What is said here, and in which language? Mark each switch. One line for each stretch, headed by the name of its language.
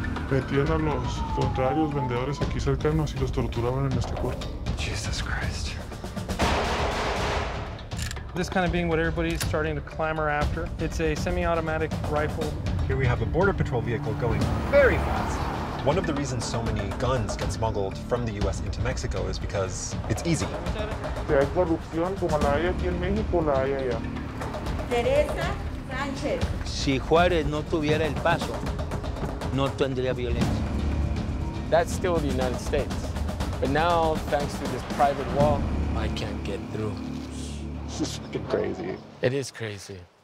Spanish: metían a los contrarios vendedores aquí cercanos y los torturaban en este cuarto.
English: Jesus Christ. This kind of being what everybody's starting to clamor after. It's a semi-automatic rifle. Here we have a border patrol vehicle going very fast. One of the reasons so many guns get smuggled from the US into Mexico is because it's easy.
Spanish: Si hay corrupción como la hay aquí en México, la hay allá. Teresa Sánchez. Si Juárez no tuviera el paso, no tendría violencia.
English: That's still the United States. But now, thanks to this private wall, I can't get through. This is fucking crazy. It is crazy.